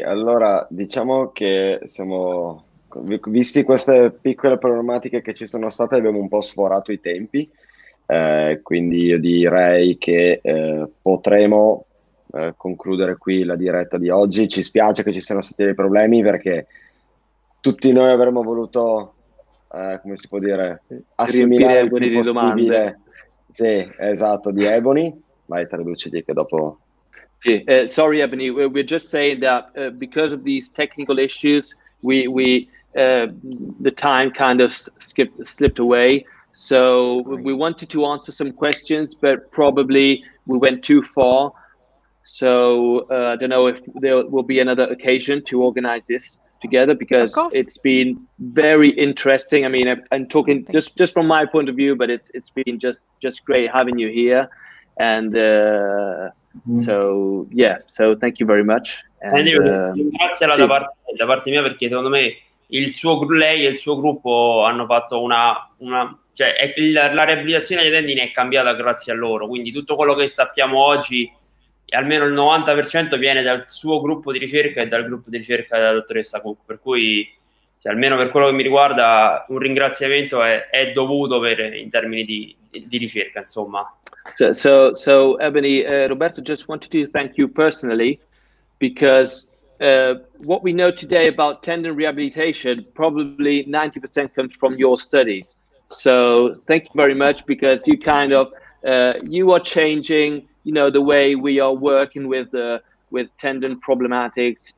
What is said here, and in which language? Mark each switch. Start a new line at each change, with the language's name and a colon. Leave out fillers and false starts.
Italian: Ok, allora diciamo che siamo, visti queste piccole problematiche che ci sono state, abbiamo un po' sforato i tempi, quindi io direi che potremo concludere qui la diretta di oggi. Ci spiace che ci siano stati dei problemi, perché tutti noi avremmo voluto, come si può dire, assimilare il più possibile. Sì, esatto, di Ebony. Vai, traduciti che dopo...
English: Sorry, Ebony, we're just saying that because of these technical issues, we the time kind of slipped away. So we wanted to answer some questions, but probably we went too far. So I don't know if there will be another occasion to organize this together, because it's been very interesting. I mean, I'm talking just from my point of view, but it's been just great having you here. And so thank you very much.
Italian: And io ringrazio sì. da parte mia, perché secondo me lei e il suo gruppo hanno fatto la riabilitazione dei tendini è cambiata grazie a loro, quindi tutto quello che sappiamo oggi, almeno il 90%, viene dal suo gruppo di ricerca e dal gruppo di ricerca della dottoressa Cook, per cui almeno per quello che mi riguarda un ringraziamento è dovuto in termini di ricerca, insomma.
English: So Ebony, Roberto just wanted to thank you personally, because what we know today about tendon rehabilitation, probably 90% comes from your studies. So thank you very much, because you kind of, you are changing, you know, the way we are working with tendon problematics.